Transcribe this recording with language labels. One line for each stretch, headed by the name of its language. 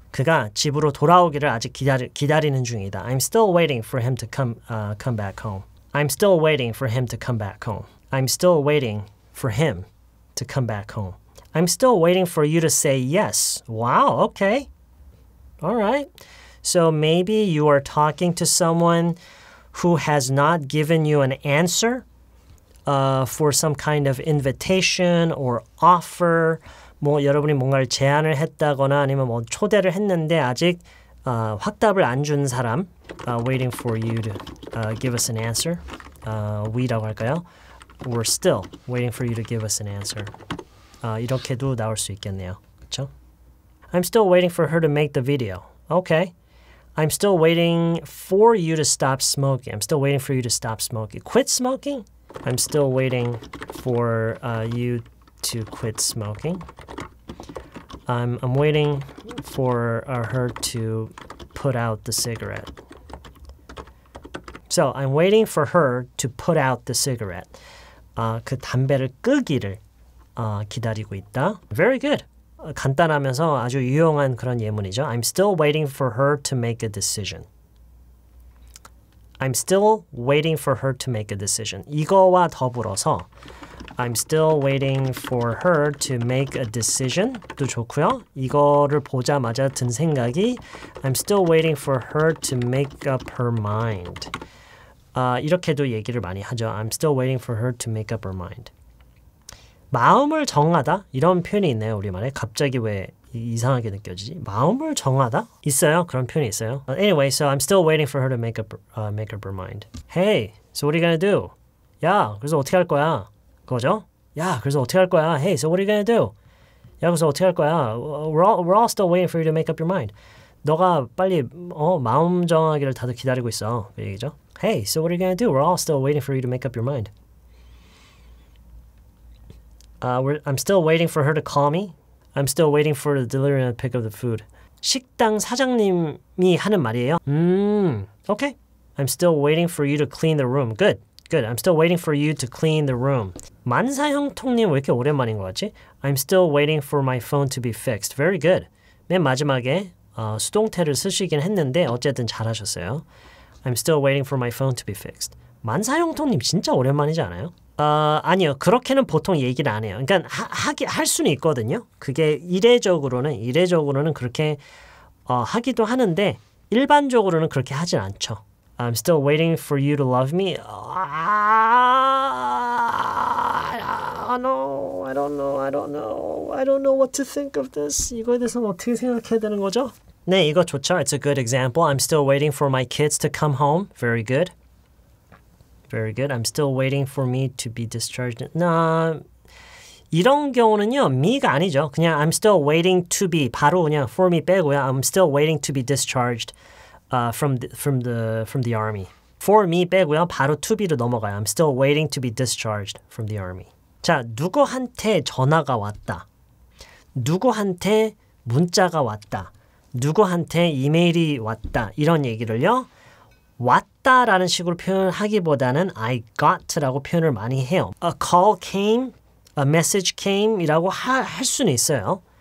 Korean: 그가 집으로 돌아오기를 아직 기다리는 중이다.
English: I'm still waiting for him to come back home. I'm still waiting for him to come back home. I'm still waiting for him to come back home. I'm still waiting for you to say yes. Wow, okay. All right. So maybe you are talking to someone who has not given you an answer for some kind of invitation or offer.
Korean: 뭐 여러분이 뭔가를 제안을 했다거나 아니면 뭐 초대를 했는데 아직 확답을 안 준 사람.
English: Waiting for you to give us an answer.
Korean: We라고 할까요?
English: We're still waiting for you to give us an answer.
Korean: 이렇게도 나올 수 있겠네요. 그렇죠?
English: I'm still waiting for her to make the video. Okay. I'm still waiting for you to stop smoking. I'm still waiting for you to stop smoking. Quit smoking? I'm still waiting for you to quit smoking. I'm waiting for her to put out the cigarette. So, I'm waiting for her to put out the cigarette.
Korean: 그 담배를 끄기를 기다리고 있다.
English: Very good.
Korean: 간단하면서 아주 유용한 그런 예문이죠.
English: I'm still waiting for her to make a decision. I'm still waiting for her to make a decision.
Korean: 이거와 더불어서
English: I'm still waiting for her to make a decision도 좋고요.
Korean: 이거를 보자마자 든 생각이
English: I'm still waiting for her to make up her mind.
Korean: 이렇게도 얘기를 많이 하죠.
English: I'm still waiting for her to make up her mind.
Korean: 마음을 정하다? 이런 표현이 있네요, 우리말에. 갑자기 왜 이상하게 느껴지지? 마음을 정하다? 있어요? 그런 표현이 있어요?
English: Anyway, so I'm still waiting for her to make up her mind. Hey, so what are you gonna do?
Korean: 야, 그래서 어떻게 할 거야? 그거죠? 야, 그래서 어떻게 할 거야?
English: Hey, so what are you gonna do?
Korean: 야, 그래서 어떻게 할 거야?
English: We're all still waiting for you to make up your mind.
Korean: 너가 빨리 마음 정하기를 다들 기다리고 있어. 그 얘기죠?
English: Hey, so what are you gonna do? We're all still waiting for you to make up your mind. I'm still waiting for her to call me. I'm still waiting for the delivery to pick up the food.
Korean: 식당 사장님이 하는 말이에요.
English: Okay. I'm still waiting for you to clean the room. Good. Good. I'm still waiting for you to clean the room.
Korean: 만사형통님 왜 이렇게 오랜만인 것 같지?
English: I'm still waiting for my phone to be fixed. Very good.
Korean: 맨 마지막에 수동태를 쓰시긴 했는데 어쨌든 잘하셨어요.
English: I'm still waiting for my phone to be fixed.
Korean: 만사형통님 진짜 오랜만이지 않아요? 아니요. 그렇게는 보통 얘기를 안 해요. 그러니까 할 수는 있거든요. 그게 이례적으로는 그렇게 하기도 하는데 일반적으로는 그렇게 하진 않죠.
English: I'm still waiting for you to love me. I don't know what to think of this.
Korean: 이거에 대해서 어떻게 생각해야 되는 거죠? 네, 이거 좋죠.
English: It's a good example. I'm still waiting for my kids to come home. Very good. Very good. I'm still waiting for me to be discharged.
Korean: Nah, 이런 경우는요, me가 아니죠. 그냥
English: I'm still waiting to be,
Korean: 바로 그냥
English: for me
Korean: 빼고요.
English: I'm still waiting to be discharged from the army. For me
Korean: 빼고요. 바로
English: to be
Korean: 로 넘어가요.
English: I'm still waiting to be discharged from the army.
Korean: 자, 누구한테 전화가 왔다. 누구한테 문자가 왔다. 누구한테 이메일이 왔다. 이런 얘기를요. 왔다라는 식으로 표현하기보다는
English: I got
Korean: 라고 표현을 많이 해요.
English: A call came, a message came
Korean: 이라고 할 수는 있어요.